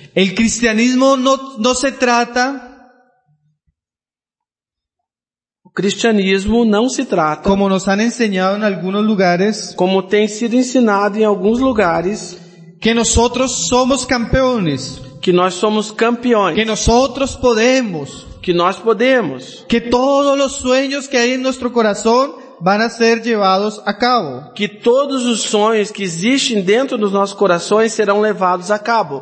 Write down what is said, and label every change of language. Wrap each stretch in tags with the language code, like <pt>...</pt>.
<pt>O cristianismo não se trata. Cristianismo não se trata.</pt> <es>Como nos han enseñado en algunos lugares.</es> <pt>Como tem sido ensinado em alguns lugares.</pt> <es>Que nosotros somos campeones.</es> <pt>Que nós somos campeões.</pt> <es>Que nosotros podemos.</es> <pt>Que nós podemos.</pt> <es>Que todos los sueños que hay en nuestro corazón van a ser llevados a cabo.</es> <pt>Que todos os sonhos que existem dentro dos nossos corações serão levados a cabo.</pt>